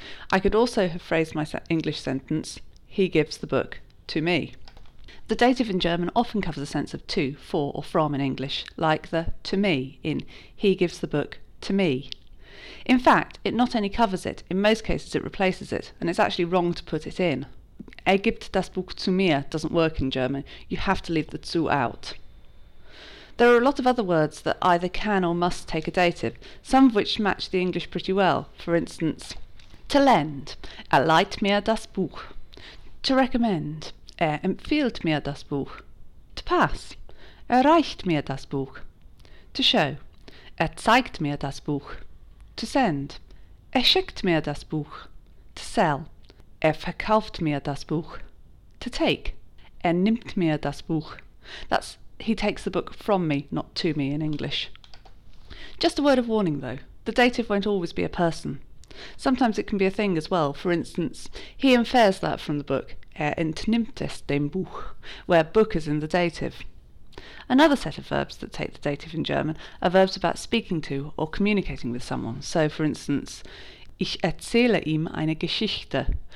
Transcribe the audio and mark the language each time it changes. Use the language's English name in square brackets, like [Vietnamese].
[English] I could also have phrased my English sentence, he gives the book to me. The dative in German often covers a sense of to, for, or from in English, like the to me in he gives the book to me. In fact, it not only covers it, in most cases it replaces it, and it's actually wrong to put it in. [German] Er gibt das Buch zu mir [English] doesn't work in German. You have to leave the zu out. There are a lot of other words that either can or must take a dative, some of which match the English pretty well. For instance, to lend, [German] leiht mir das Buch. [English] To recommend, [German] empfiehlt mir das Buch. [English] To pass, [German] reicht mir das Buch. [English] To show, [German] zeigt mir das Buch. [English] To send, [German] schickt mir das Buch. [English] To sell, [German] verkauft mir das Buch. [English] To take, [German] nimmt mir das Buch. [English] That's he takes the book from me, not to me in English. Just a word of warning though, the dative won't always be a person. Sometimes it can be a thing as well. For instance, he infers that from the book, [German] entnimmt es dem Buch, [English] where book is in the dative. Another set of verbs that take the dative in German are verbs about speaking to or communicating with someone. So for instance, [German] ich erzähle ihm eine Geschichte.